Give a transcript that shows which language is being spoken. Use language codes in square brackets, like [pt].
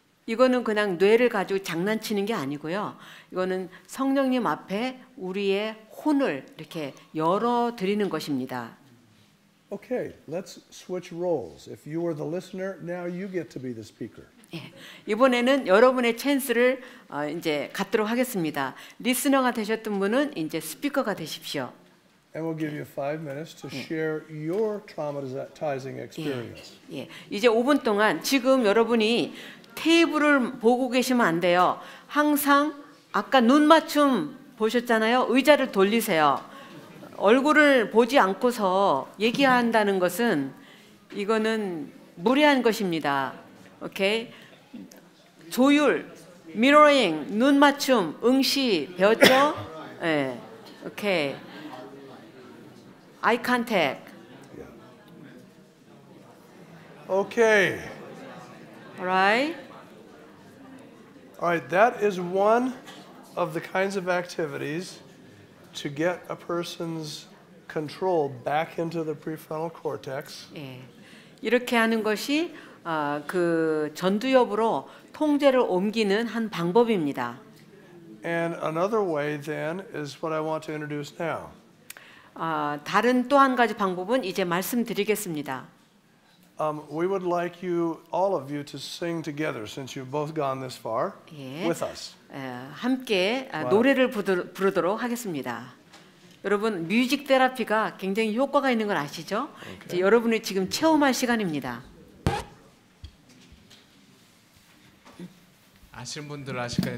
[ko] 이거는 그냥 뇌를 가지고 장난치는 게 아니고요. 이거는 성령님 앞에 우리의 혼을 이렇게 열어 드리는 것입니다. [en] Okay, let's switch roles. If you are the listener, now you get to be the speaker. [ko] 예, 이번에는 여러분의 찬스를 이제 갖도록 하겠습니다. 리스너가 되셨던 분은 이제 스피커가 되십시오. [en] And we'll give you 5 minutes to share your traumatizing experience. [ko] 예, 이제 5분 동안 지금 여러분이 테이블을 보고 계시면 안 돼요. 항상 아까 눈 맞춤 보셨잖아요. 의자를 돌리세요. 얼굴을 보지 않고서 얘기한다는 것은 이거는 무례한 것입니다. 오케이? 조율, 미러링, 눈 맞춤, 응시 배웠죠? 예. 오케이. [en] Eye contact. Okay. All right. All right, that is one of the kinds of activities to get a person's control back into the prefrontal cortex. [ko] 예. 이렇게 하는 것이 그 전두엽으로 통제를 옮기는 한 방법입니다. [en] And another way then is what I want to introduce now. [ko] 다른 또 한 가지 방법은 이제 말씀드리겠습니다. [en] We would like you, all of you, to sing together since you've both gone this far [ko] 예. [en] with us. [ko] 함께 노래를 부르도록 하겠습니다. 여러분, 뮤직 테라피가 굉장히 효과가 있는 걸 아시죠? [en] Okay. [ko] 이제 여러분이 지금 체험할 시간입니다. 아시는 분들 아실까요?